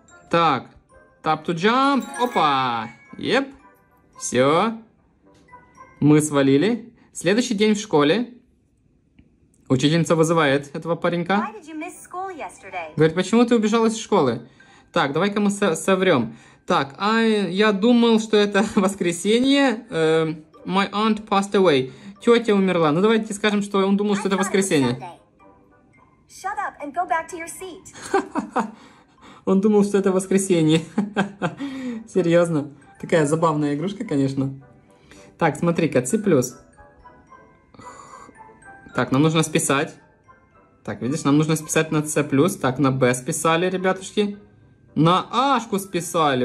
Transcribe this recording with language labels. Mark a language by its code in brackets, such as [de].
[ru] Так, tap to jump, опа, еп, все, мы свалили. Следующий день в школе, учительница вызывает этого паренька. Говорит, почему ты убежал из школы? Так, давай-ка мы соврем. Так, я думал, что это воскресенье. [en] My aunt passed away, тетя умерла. [ru] Ну давайте скажем, что он думал, что это воскресенье. [en] Shut up and go back to your seat. [ru] Он думал, что это воскресенье. Серьезно. Такая забавная игрушка, конечно. Так, смотри-ка, C+. Так, нам нужно списать. Так, видишь, нам нужно списать на C+. Так, на B списали, ребятушки. На A-шку списали.